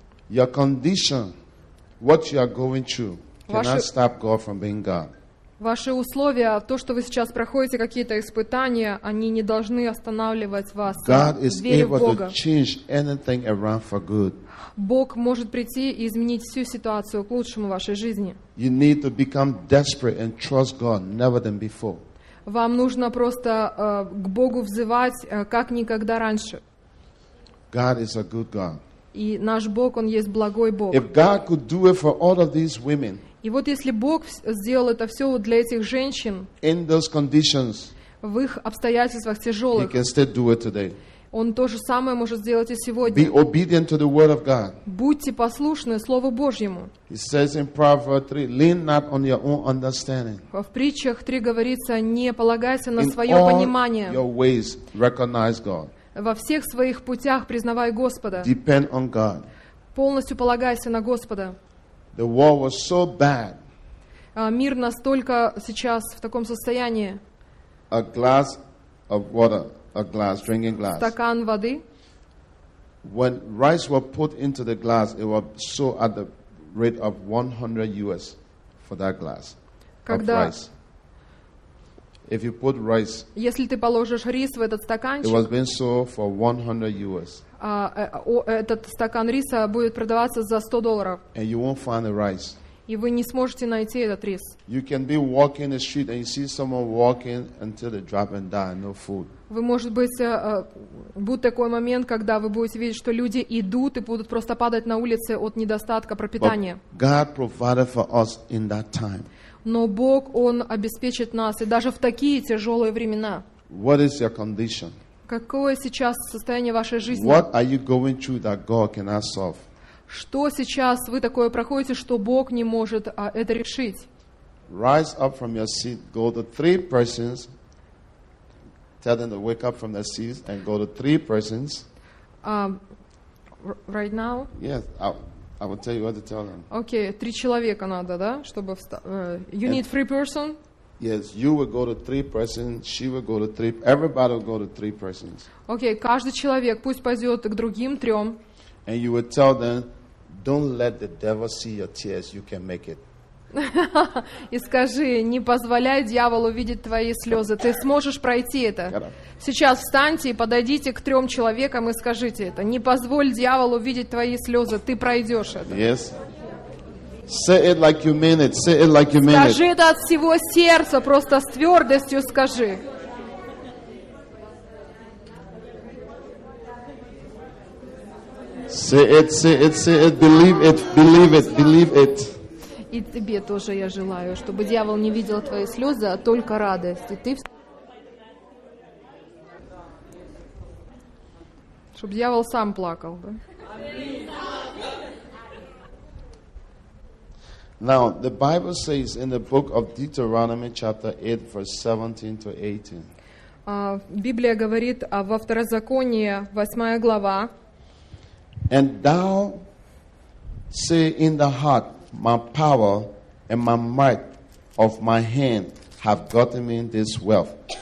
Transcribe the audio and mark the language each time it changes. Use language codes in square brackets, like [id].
[en] Your condition, what you are going through, cannot stop God from being God. [ru] Ваши условия, то, что вы сейчас проходите, какие-то испытания, они не должны останавливать вас. [en] God is able to change anything around for good. [ru] Бог может прийти и изменить всю ситуацию к лучшему в вашей жизни. [en] You need to become desperate and trust God never than before. [ru] Вам нужно просто к Богу взывать, как никогда раньше. [en] God is a good God. [ru] И наш Бог, Он есть благой Бог. [en] If God could do it for all of these women, [ru] и вот если Бог сделал это все для этих женщин, [en] in those conditions, [ru] в их обстоятельствах тяжелых, [en] He can still do it today. [ru] Он то же самое может сделать и сегодня. [en] Be obedient to the word of God. [ru] Будьте послушны Слову Божьему. [en] He says in Proverbs 3, lean not on your own understanding. [ru] В притчах 3 говорится, не полагайся на свое понимание. [en] In all your ways, recognize God. [ru] Во всех своих путях признавай Господа. [en] Depend on God. [ru] Полностью полагайся на Господа. [en] The war was so bad. [ru] Мир настолько сейчас в таком состоянии. [en] A glass of water, a glass, drinking glass. [ru] Стакан воды. [en] When rice were put into the glass, it was so at the rate of 100 US for that glass [ru] Когда [en] of rice. If you put rice, [ru] если ты положишь рис в этот стаканчик, [en] it was being sold for 100 US. [ru] Этот стакан риса будет продаваться за $100. [en] And you won't find the rice. [ru] И вы не сможете найти этот рис. [en] You can be walking the street and you see someone walking until they drop and die, no food. [ru] Вы, может быть, будет такой момент, когда вы будете видеть, что люди идут и будут просто падать на улице от недостатка пропитания. [en] But God provided for us in that time. [ru] Но Бог, Он обеспечит нас, и даже в такие тяжелые времена. [en] What is your condition? [ru] Какое сейчас состояние вашей жизни? [en] What are you going through that God cannot solve? [ru] Что сейчас вы такое проходите, что Бог не может это решить? [en] Rise up from your seat, go to three persons. Tell them to wake up from their seats and go to three persons. Right now? Yes, I will tell you what to tell them. [ru] Okay, три человека надо, да, чтобы [en] you need three person? Yes, you will go to three persons, she will go to three, everybody will go to three persons. [ru] Okay, каждый человек пусть пойдет к другим трем. [en] And you will tell them, don't let the devil see your tears, you can make it. [ru] И скажи, не позволяй дьяволу видеть твои слезы, ты сможешь пройти это. Сейчас встаньте и подойдите к трем человекам и скажите это. Не позволь дьяволу видеть твои слезы, ты пройдешь это. [en] Yes. Say it like you mean it. Say it like you mean it. [ru] Скажи это от всего сердца, просто с твердостью скажи. [en] Say it. Believe it. [ru] И тебе тоже я желаю, чтобы дьявол не видел твои слезы, а только радость. И ты... Чтобы дьявол сам плакал, да? [en] Now, the Bible says in the book of Deuteronomy, chapter 8, verse 17 to 18. [ru] Библия говорит во Второзаконии, 8 глава. [en] And thou say in the heart, my power and my might of my hand have gotten me this wealth.